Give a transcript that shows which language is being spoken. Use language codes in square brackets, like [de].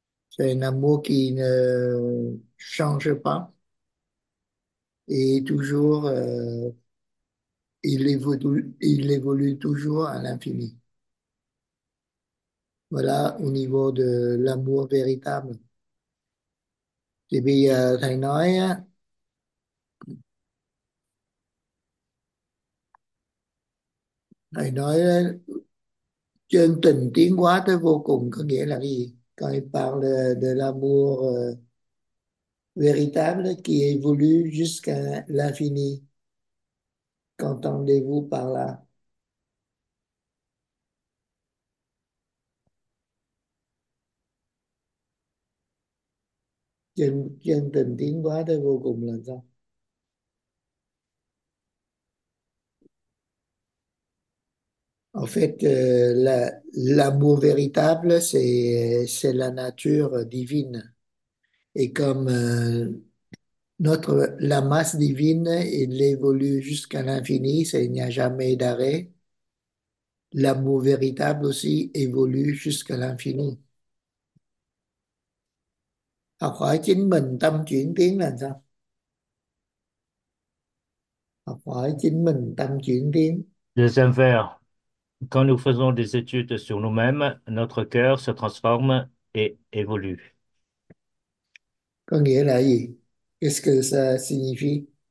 [fr] C'est un amour qui ne change pas et toujours, il évolue toujours à l'infini. Voilà, au niveau de l'amour véritable. [vi] Thì bây giờ thầy nói á, thầy nói chân tình tiến hóa tới vô cùng có nghĩa là gì? [fr] Quand il parle de l'amour véritable qui évolue jusqu'à l'infini. Qu'entendez-vous par là? [vi] Chân tình tiến hóa tới vô cùng là sao? [fr] En fait, l'amour véritable, c'est la nature divine. Et comme la masse divine, il évolue jusqu'à l'infini, il n'y a jamais d'arrêt. L'amour véritable aussi évolue jusqu'à l'infini. [vi] Học hỏi chính mình, tâm chuyển tiến là sao? Học hỏi chính mình, tâm chuyển tiến. [fr] Deuxième vers, quand nous faisons des études sur nous-mêmes, notre cœur se transforme et évolue. [vi] Có nghĩa là gì? [fr] Qu'est-ce que ça signifie?